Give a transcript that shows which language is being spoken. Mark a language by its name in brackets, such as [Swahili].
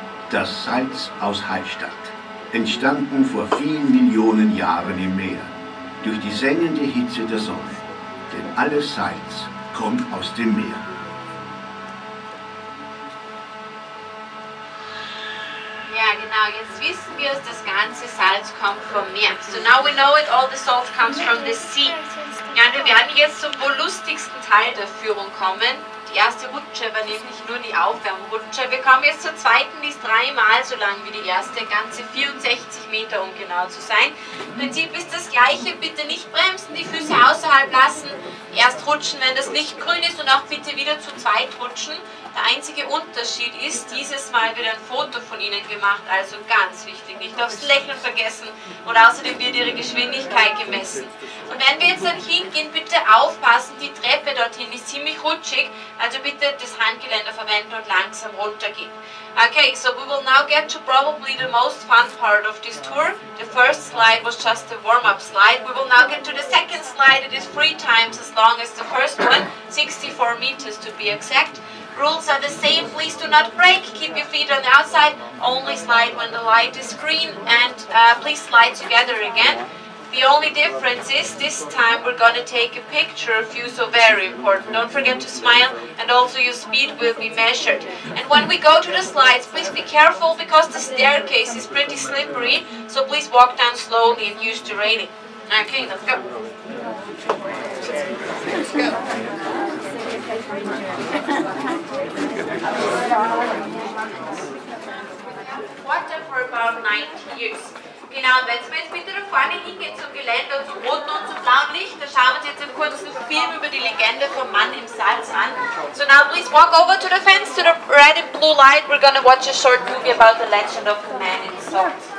[German] Das Salz aus Hallstatt, entstanden vor vielen Millionen Jahren im Meer, durch die sengende Hitze der Sonne. Denn alles Salz kommt aus dem Meer. Jetzt wissen wir, dass das ganze Salz kommt vom Meer. [English] So now we know it, all the salt comes from the sea. [German] Ja, wir werden jetzt zum wohl lustigsten Teil der Führung kommen. Die erste Rutsche war nämlich nur die Aufwärmrutsche. Wir kommen jetzt zur zweiten, die ist dreimal so lang wie die erste, ganze 64 Meter, um genau zu sein. Im Prinzip ist das gleiche, bitte nicht bremsen, die Füße außerhalb lassen, erst rutschen, wenn das Licht grün ist und auch bitte wieder zu zweit rutschen. Der einzige Unterschied ist, dieses Mal wird ein Foto von Ihnen gemacht, also ganz wichtig, nicht aufs Lächeln vergessen und außerdem wird Ihre Geschwindigkeit gemessen. Und wenn wir jetzt dann hingehen, bitte aufpassen, die Treppe dorthin ist ziemlich rutschig, also bitte das Handgeländer verwenden und langsam runtergehen. [English] Okay, so we will now get to probably the most fun part of this tour. The first slide was just a warm-up slide. We will now get to the second slide. It is three times as long as the first one, 64 meters to be exact. Rules are the same, please do not break, keep your feet on the outside, only slide when the light is green, and please slide together again. The only difference is, this time we're gonna take a picture of you, so very important. Don't forget to smile, and also your speed will be measured. And when we go to the slides, please be careful, because the staircase is pretty slippery, so please walk down slowly and use the railing. Okay, let's go. Let's go. Water for about 90 years. [German] Genau, und wenn Sie jetzt bitte da vorne hingehen zum Geländer, zum roten und zum blauen Licht, dann schauen wir uns jetzt im kurzen Film über die Legende vom Mann im Salz an. [English] So now please walk over to the fence, to the red and blue light. We're gonna watch a short movie about the legend of the man in salt.